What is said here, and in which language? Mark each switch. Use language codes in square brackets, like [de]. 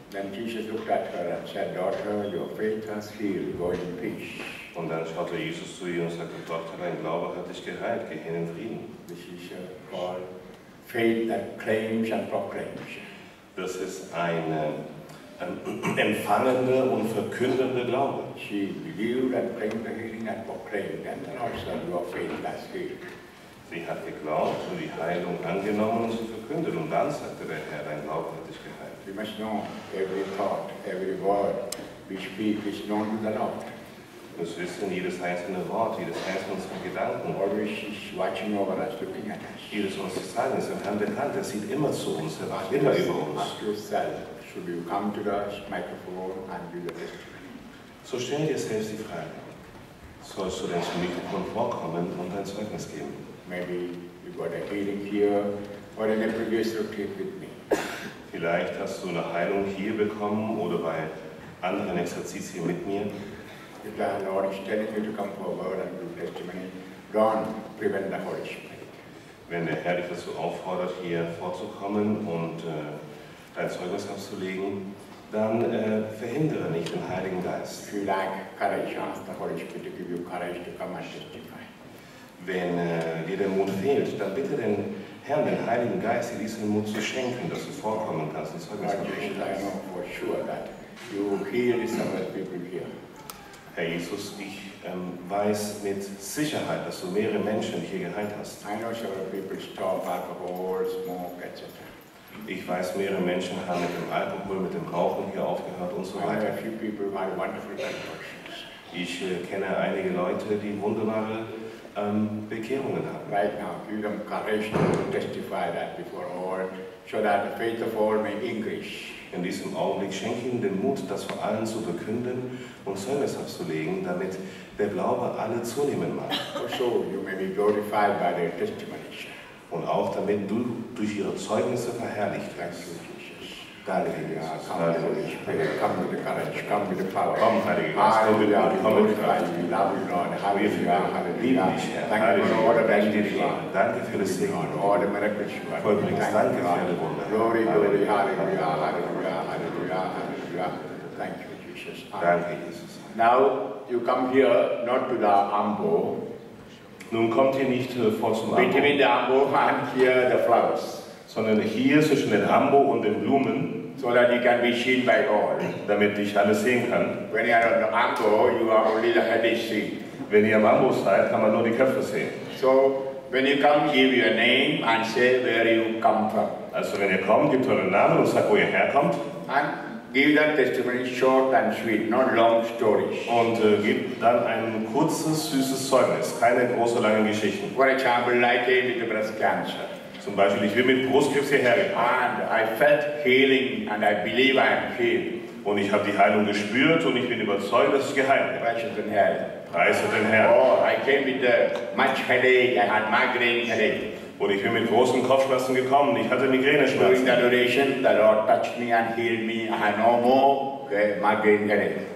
[en] Then Jesus looked at her and said, "Daughter, your faith has healed. Go in peace." [de] Und dann schaute Jesus zu ihr und sagte, Tochter, dein Glaube hat dich geheilt. Geh hin in Frieden. [en] This is called faith that claims and proclaims. [de] Das ist ein empfangende und verkündende Glaube. [en] She believed and claimed the healing and proclaimed, and then also your faith has healed. [de] Sie hat geglaubt und die Heilung angenommen und sie verkündet. Und dann sagte der Herr, dein Glaube hat dich geheilt. [en] We must know every thought, every word we speak is known to the Lord. [de] Wir müssen wissen, jedes einzelne Wort, jedes einzelne unserer Gedanken. [en] Always is watching over us, looking at us. [de] Jedes unserer Zeilen ist im Herrn bekannt. Er sieht immer zu uns, er wacht immer über uns. [en] Ask yourself, should you come to the microphone and do the testimony? [de] So stell dir selbst die Frage. Sollst du denn zum Mikrofon vorkommen und dein Zeugnis geben? [en] Maybe you got a healing here or in a previous retreat with me. [de] Vielleicht hast du eine Heilung hier bekommen oder bei anderen Exerzitien mit mir. [en] If the Lord is telling you to come forward and do testimony, don't prevent the Holy Spirit. [de] Wenn der Herr dich dazu auffordert, hier vorzukommen und dein Zeugnis abzulegen, dann verhindere nicht den Heiligen Geist. [en] If you lack courage, ask the Holy Spirit to give you courage to come and testify. [de] Wenn dir der Mut fehlt, dann bitte den Herrn, den Heiligen Geist, dir diesen Mut zu schenken, dass du vorkommen kannst und Zeugnis ablegen kannst. [en] I know for sure that you heal some of the people here. [de] Herr Jesus, ich weiß mit Sicherheit, dass du mehrere Menschen hier geheilt hast. [en] I know several people stop alcohol, smoke, etc. [de] Ich weiß, mehrere Menschen haben mit dem Alkohol, mit dem Rauchen hier aufgehört und so weiter. [en] I know a few people who have wonderful conversions. [de] Ich kenne einige Leute, die wunderbare Bekehrungen haben. [en] Right now, give them courage to testify that before all, so that the faith of all may increase. [de] In diesem Augenblick schenke ihnen den Mut, das vor allen zu verkünden und Zeugnis abzulegen, damit der Glaube alle zunehmen mag. [en] Also, you may be glorified by their testimonies. [de] Und auch damit du durch ihre Zeugnisse verherrlicht wirst. Danke, Jesus. Komm mit der Courage, komm mit der Power. Komm, Heilige Geist, komm mit der Kraft. [en] We love you, Lord. Halleluja, Halleluja. [de] Danke für [en] all the blessings you are. [de] Danke für das Segen. [en] All the miracles you are. [de] Vollbringst, danke für alle Wunder. [en] Glory, glory, Halleluja, Halleluja, Halleluja, Halleluja. Thank you, Jesus. [de] Danke, Jesus. [en] Now, you come here, not to the Ambo. [de] Nun kommt ihr nicht vor zum Ambo. [en] Between the Ambo and here the flowers. [de] Sondern hier zwischen dem Ambo und den Blumen, [en] so that you can be seen by all. [de] Damit ich alles sehen kann. [en] When you are on the Ambo, you are only the head is seen. [de] Wenn ihr am Ambo seid, kann man nur die Köpfe sehen. [en] So, when you come, give your name and say where you come from. [de] Also wenn ihr kommt, gebt euren Namen und sagt, wo ihr herkommt. [en] And give that testimony short and sweet, not long stories. [de] Und gebt dann ein kurzes, süßes Zeugnis, keine große, langen Geschichten. [en] For example, like a little breast cancer. [de] Zum Beispiel, ich bin mit Brustkrebs hierher gekommen. [en] And I felt healing and I believe I am healed. [de] Und ich habe die Heilung gespürt und ich bin überzeugt, dass ich geheilt bin. Preise den Herrn. Preise den Herrn. [en] Oh, I came with much headache, I had migraine headache. [de] Und ich bin mit großen Kopfschmerzen gekommen, ich hatte Migräne-Schmerzen. [en] During the adoration, the Lord touched me and healed me, I had no more migraine headache.